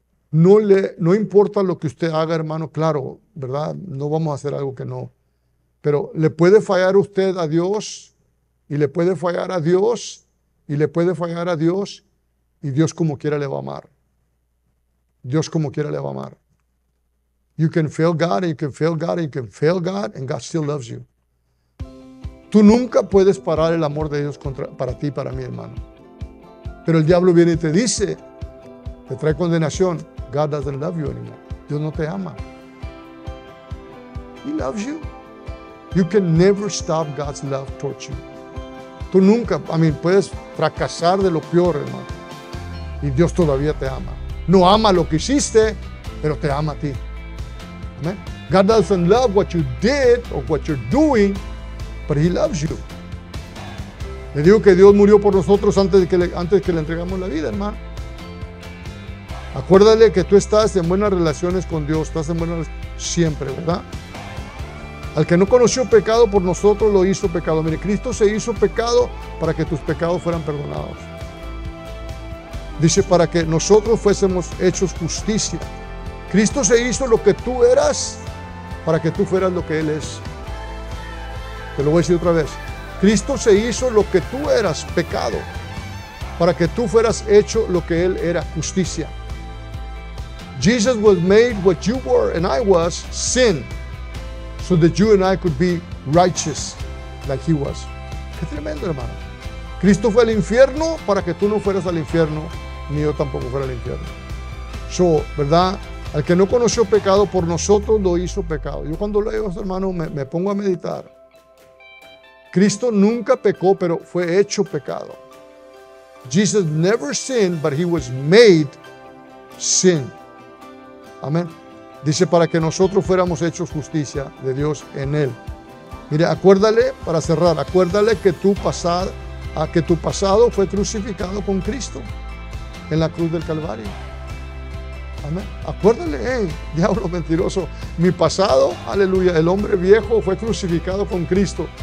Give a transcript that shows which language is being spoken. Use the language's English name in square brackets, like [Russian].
[Spanish] No importa lo que usted haga, hermano, claro, ¿verdad? No vamos a hacer algo que no. Pero le puede fallar usted a Dios. Y le puede fallar a Dios, y le puede fallar a Dios, y Dios como quiera le va a amar. Dios como quiera le va a amar. [English] You can fail God, and you can fail God, and you can fail God, and God still loves you. [Spanish] Tú nunca puedes parar el amor de Dios para ti, para mí, hermano. Pero el diablo viene y te dice, te trae condenación, [English] God doesn't love you anymore. [Spanish] Dios no te ama. [English] He loves you. You can never stop God's love towards you. [Spanish] Tú nunca, a mí, puedes fracasar de lo peor, hermano. Y Dios todavía te ama. No ama lo que hiciste, pero te ama a ti. Amen. [English] God doesn't love what you did or what you're doing, but He loves you. [Spanish] Le digo que Dios murió por nosotros antes de que le entregamos la vida, hermano. Acuérdale que tú estás en buenas relaciones con Dios. Estás en buenas relaciones siempre, ¿verdad? Al que no conoció pecado, por nosotros lo hizo pecado. Mire, Cristo se hizo pecado para que tus pecados fueran perdonados. Dice, para que nosotros fuésemos hechos justicia. Cristo se hizo lo que tú eras para que tú fueras lo que Él es. Te lo voy a decir otra vez. Cristo se hizo lo que tú eras, pecado, para que tú fueras hecho lo que Él era, justicia. [English] Jesus was made what you were and I was, sin, so that you and I could be righteous like He was. [Spanish] Qué tremendo, hermano. Cristo fue al infierno para que tú no fueras al infierno, ni yo tampoco fuera al infierno. So, ¿verdad? Al que no conoció pecado, por nosotros lo hizo pecado. Yo cuando leo esto, hermano, me pongo a meditar. Cristo nunca pecó, pero fue hecho pecado. [English] Jesus never sinned, but He was made sin. [Spanish] Amén. Dice, para que nosotros fuéramos hechos justicia de Dios en Él. Mire, acuérdale, para cerrar, acuérdale que tu pasado fue crucificado con Cristo en la cruz del Calvario. Amén. Acuérdale, diablo mentiroso. Mi pasado, aleluya, el hombre viejo fue crucificado con Cristo.